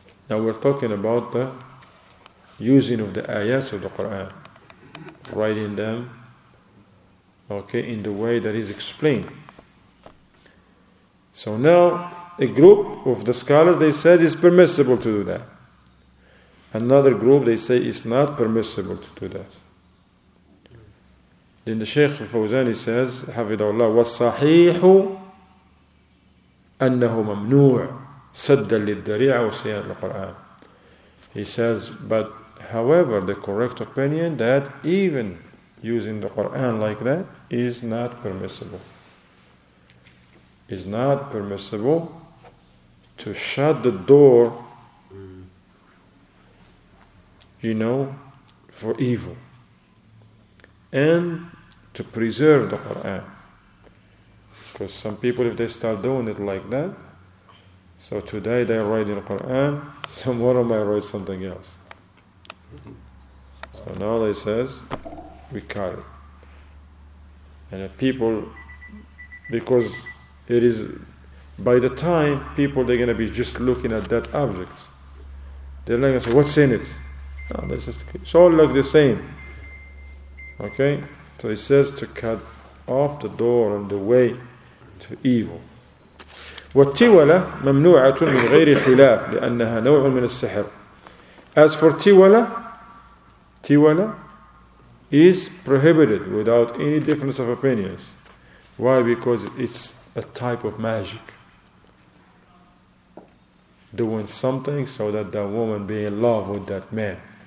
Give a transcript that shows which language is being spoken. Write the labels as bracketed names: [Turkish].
[English] Now we're talking about the using of the ayats of the Qur'an, writing them, okay, in the way that is explained. So now, a group of the scholars, they said it's permissible to do that. Another group, they say it's not permissible to do that. Then the Shaykh al-Fawzani says, Hafidhahullah, [Arabic] وَالصَّحِيحُ أَنَّهُ مَمْنُوعُ سَدَّ لِلْدَّرِيعَ وَسِيَانَ الْقُرْآنِ. [English] He says, but however, the correct opinion that even using the Qur'an like that is not permissible. Is not permissible to shut the door, you know, for evil. And to preserve the Qur'an. Because some people, if they start doing it like that, so today they write in the Qur'an, tomorrow they write something else. So now they says, we cut it. And the people, because it is, by the time people, they're going to be just looking at that object. They're not going to say, what's in it? No, this is, it's all look the same. Okay? So he says to cut off the door on the way to evil. [Arabic] والتولة ممنوعة من غير خلاف لأنها نوع من السحر. [English] As for تولة is prohibited without any difference of opinions. Why? Because it's a type of magic. Doing something so that the woman be in love with that man.